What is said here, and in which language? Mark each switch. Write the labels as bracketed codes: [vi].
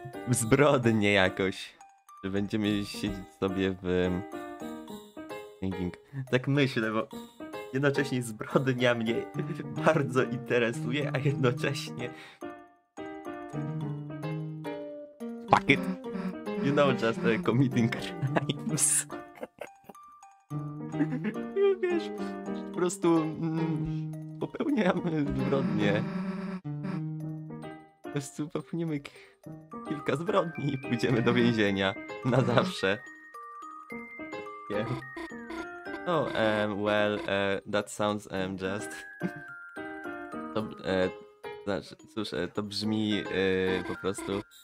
[pl] zbrodnie jakoś. Czy będziemy siedzieć sobie w... [en] thinking. [pl] Tak myślę, bo jednocześnie zbrodnia mnie bardzo interesuje, a jednocześnie... [en] Fuck it! You know, just committing crimes. [pl] Wiesz, po prostu popełniamy zbrodnie. Po prostu popełnimy kilka zbrodni i pójdziemy do więzienia. Na zawsze. [en] Yeah. Oh, well, that sounds just... [pl] To, znaczy, cóż, to brzmi po prostu...